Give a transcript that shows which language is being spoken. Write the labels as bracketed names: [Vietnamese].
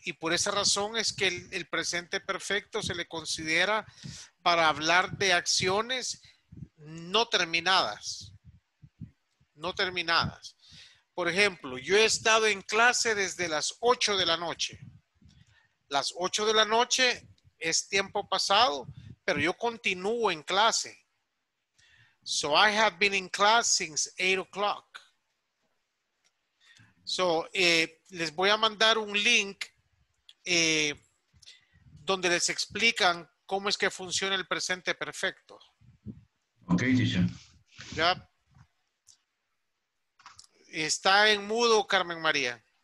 [Spanish] Y por esa razón es que el presente perfecto se le considera para hablar de acciones no terminadas. No terminadas. Por ejemplo, yo he estado en clase desde las 8 de la noche. Las 8 de la noche es tiempo pasado, pero yo continúo en clase. [English] So I have been in class since 8 o'clock. [Spanish] So les voy a mandar un link donde les explican cómo es que funciona el presente perfecto. [English] Okay, teacher. [Spanish] Ya. Está en mudo, Carmen María.